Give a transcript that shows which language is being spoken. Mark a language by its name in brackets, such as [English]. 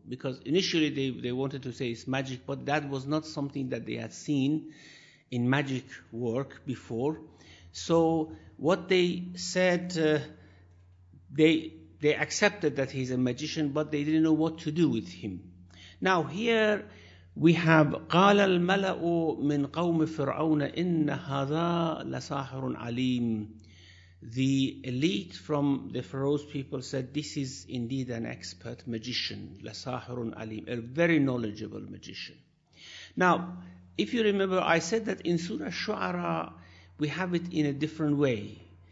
[English] Because initially they wanted to say it's magic, but that was not something that they had seen in magic work before. So what they said, they accepted that he's a magician, but they didn't know what to do with him. Now here we have [Arabic] قال الملأ من قوم فرعون إن هذا لساحر عليم. [English] The elite from the Pharaoh's people said, this is indeed an expert magician, [Arabic] لَسَاحِرٌ alim, [English] a very knowledgeable magician. Now, if you remember, I said that in Surah Shu'ara, we have it in a different way.